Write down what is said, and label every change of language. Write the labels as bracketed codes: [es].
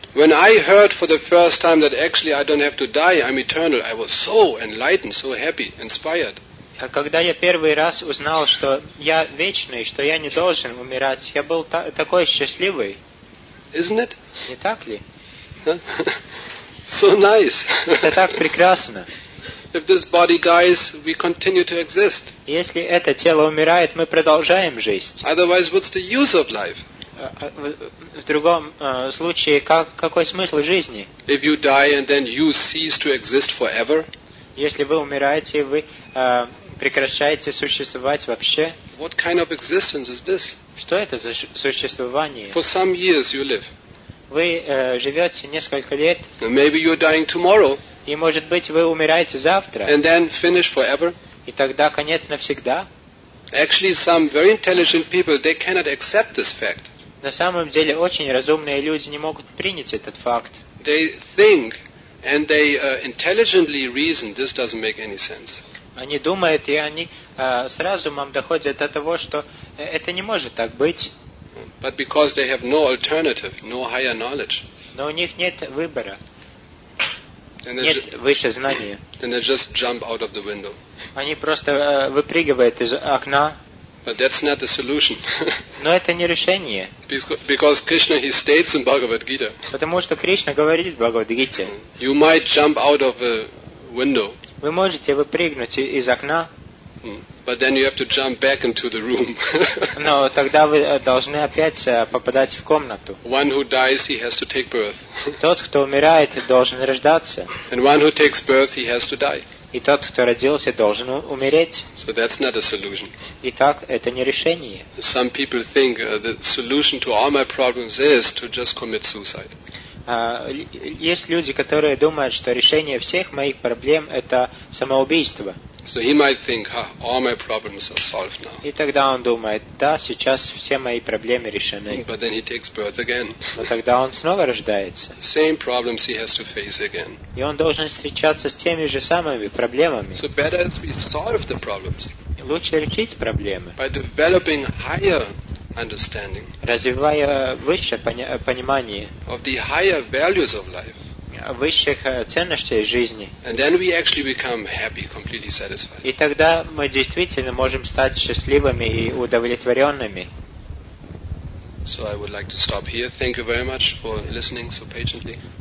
[en] When I heard for the first time that actually I don't have to die, I'm eternal, I was so enlightened, so happy, inspired. [ru] Когда я первый раз узнал, что я вечный, что я не должен умирать, я был такой счастливый. [en] Isn't it? [ru] Не так ли? [en] So nice. [ru] Это так прекрасно. [en] If this body dies, we continue to exist. [ru] Если это тело умирает, мы продолжаем жизнь. [en] Otherwise, what's the use of life? [ru] В другом случае, какой смысл жизни? [en] If you die and then you cease to exist forever? [ru] Если вы умираете, вы прекращаете существовать вообще. [en] What kind of existence is this? [ru] Что это за существование? [en] For some years you live. [ru] Вы живете несколько лет. [en] Maybe you're dying tomorrow. [ru] И может быть вы умираете завтра. [en] And then finish forever. [ru] И тогда конец навсегда. [en] Actually, some very intelligent people, they cannot accept this fact. [ru] На самом деле очень разумные люди не могут принять этот факт. [en] They think and they intelligently reason this doesn't make any sense. [ru] Они думают, и они с разумом доходят до того, что это не может так быть. [en] But because they have no alternative, no higher knowledge. [ru] Но у них нет выбора. Нет высшего знания. [en] And they just jump out of the window. [ru] Они просто выпрыгивают из окна. [en] But that's not the solution. [ru] Но это не решение. [en] Because Krishna, he states in Bhagavad Gita. [ru] Потому что Кришна говорит в Бхагавад Гите. [en] You might jump out of a window. [ru] Вы можете выпрыгнуть из окна. [en] But then you have to jump back into the room. [ru] Но тогда вы должны опять попадать в комнату. [en] One who dies, he has to take birth. [ru] Тот, кто умирает, должен рождаться. [en] And one who takes birth, he has to die. [ru] И тот, кто родился, должен умереть. [en] So that's not a solution. [ru] Итак, это не решение. [en] Some people think the solution to all my problems is to just commit suicide. [ru] Есть люди, которые думают, что решение всех моих проблем – это самоубийство. [en] So he might think, all my problems are solved now. [ru] И тогда он думает, да, сейчас все мои проблемы решены. [en] But then he takes birth again. [ru] Но тогда он снова рождается. [en] Same problems he has to face again. [ru] И он должен встречаться с теми же самыми проблемами. [en] So better we solve the problems. [ru] Лучше решить проблемы. [en] By developing higher understanding. [ru] Развивая высшее понимание. [en] Of the higher values of life. [ru] Высших ценностей жизни. [en] And then we actually become happy, completely satisfied. [ru] И тогда мы действительно можем стать счастливыми и удовлетворенными. [en] So I would like to stop here. Thank you very much for listening so patiently.